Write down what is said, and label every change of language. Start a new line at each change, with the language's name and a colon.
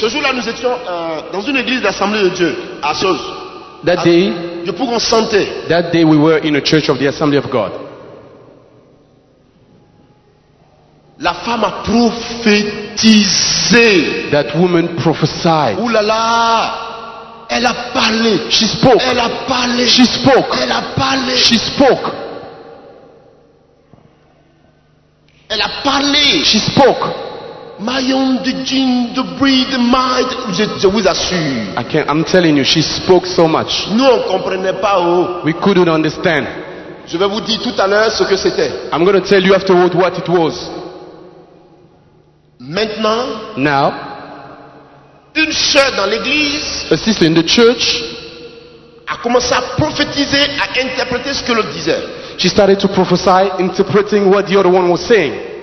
French: Ce jour-là, nous étions dans une église d'assemblée de Dieu à Sos.
English: That day,
French: je pourrais en sentir.
English: That day, we were in a church of the Assembly of God.
French: La femme a prophétisé.
English: That woman prophesied.
French: Ouh là là. Elle a parlé.
English: She spoke.
French: Elle a parlé.
English: She spoke.
French: Elle a parlé.
English: She spoke.
French: Elle a parlé.
English: She spoke. My own the gene, the breed, the mind.
French: Je vous assure.
English: I can't, I'm telling you, she spoke so much.
French: Nous on comprenait pas où.
English: We couldn't understand.
French: Je vais vous dire tout à l'heure ce que c'était.
English: I'm going to tell you afterward what it was.
French: Maintenant,
English: now,
French: une sœur dans l'église,
English: a sister in the church,
French: a commencé à prophétiser, à interpréter ce que l'autre disait.
English: She started to prophesy, interpreting what the other one was saying.